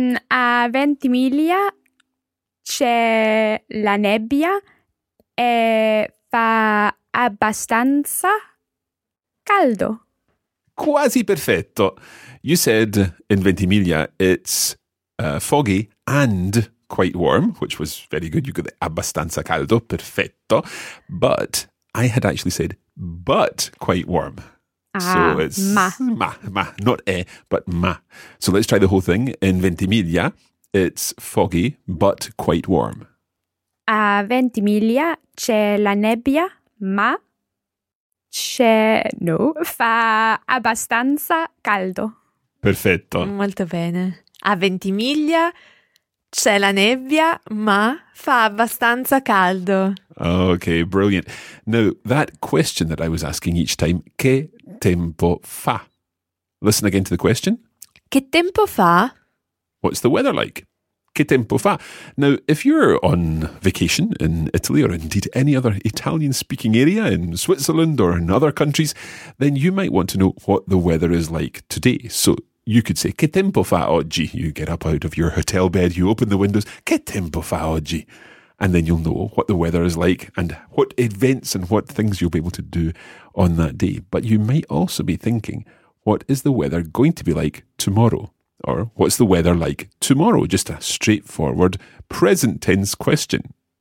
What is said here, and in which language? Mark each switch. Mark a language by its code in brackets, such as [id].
[it] A Ventimiglia c'è la nebbia e fa abbastanza caldo. Quasi perfetto. [en] You said in Ventimiglia it's foggy and quite warm, which was very good. You got the [it] abbastanza caldo, perfetto. [en] But I had actually said, but quite warm. So it's ma, not e, but ma. So let's try the whole thing. In Ventimiglia, it's foggy, but quite warm. [it] A Ventimiglia c'è la nebbia, ma c'è, no, fa abbastanza caldo. Perfetto. Molto bene. A Ventimiglia c'è la nebbia, ma fa abbastanza caldo. [en] Okay, brilliant. Now, that question that I was asking each time, [it] che tempo fa? [en] Listen again to the question. [it] Che tempo fa? [en] What's the weather like? [it] Che tempo fa? [en] Now, if you're on vacation in Italy or indeed any other Italian-speaking area in Switzerland or in other countries, then you might want to know what the weather is like today. So you could say, [it] che tempo fa oggi? [en] You get up out of your hotel bed, you open the windows, [it] che tempo fa oggi? [en] And then you'll know what the weather is like and what events and what things you'll be able to do on that day. But you might also be thinking, what is the weather going to be like tomorrow? Or what's the weather like tomorrow? Just a straightforward present tense question.